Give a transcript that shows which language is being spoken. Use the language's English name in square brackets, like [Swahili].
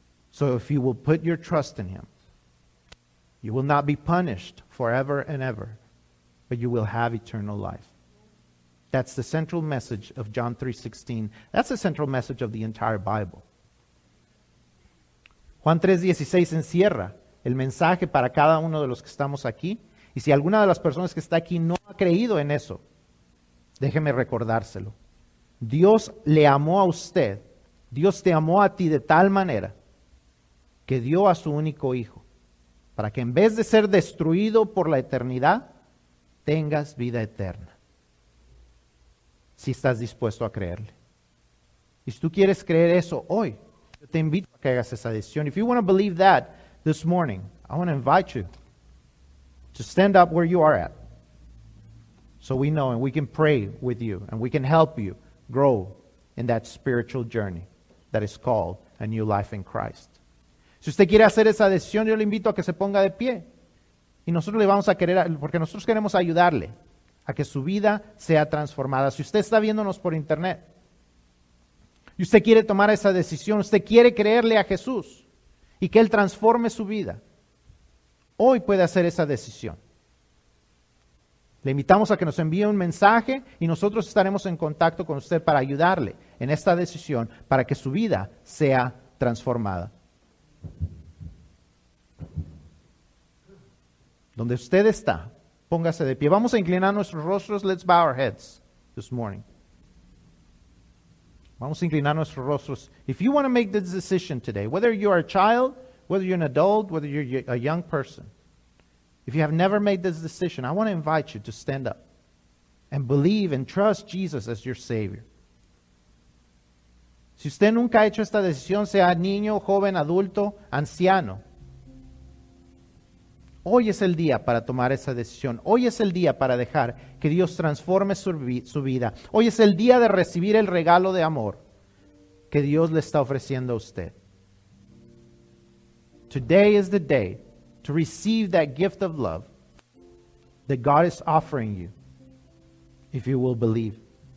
[English] So if you will put your trust in Him, you will not be punished forever and ever, but you will have eternal life. That's the central message of John 3:16. That's the central message of the entire Bible. [Spanish] Juan 3:16 encierra el mensaje para cada uno de los que estamos aquí. Y si alguna de las personas que está aquí no ha creído en eso, déjeme recordárselo. Dios le amó a usted. Dios te amó a ti de tal manera que dio a su único Hijo para que en vez de ser destruido por la eternidad, tengas vida eterna. Si estás dispuesto a creerle. Y si tú quieres creer eso hoy, yo te invito a que hagas esa decisión. [English] If you want to believe that this morning, I want to invite you to stand up where you are at, so we know and we can pray with you and we can help you grow in that spiritual journey that is called a new life in Christ. [Spanish] Si usted quiere hacer esa decisión, yo le invito a que se ponga de pie. Y nosotros le vamos a querer, porque nosotros queremos ayudarle a que su vida sea transformada. Si usted está viéndonos por internet y usted quiere tomar esa decisión, usted quiere creerle a Jesús y que Él transforme su vida, hoy puede hacer esa decisión. Le invitamos a que nos envíe un mensaje y nosotros estaremos en contacto con usted para ayudarle en esta decisión para que su vida sea transformada. Donde usted está, póngase de pie. Vamos a inclinar nuestros rostros. [English] Let's bow our heads this morning. [Spanish] Vamos a inclinar nuestros rostros. [English] If you want to make this decision today, whether you are a child, whether you're an adult, whether you're a young person, if you have never made this decision, I want to invite you to stand up and believe and trust Jesus as your Savior. [Spanish] Si usted nunca ha hecho esta decisión, sea niño, joven, adulto, anciano, hoy es el día para tomar esa decisión. Hoy es el día para dejar que Dios transforme su vida. Hoy es el día de recibir el regalo de amor que Dios le está ofreciendo a usted. [English] Today is the day to receive that gift of love that God is offering you, if you will believe.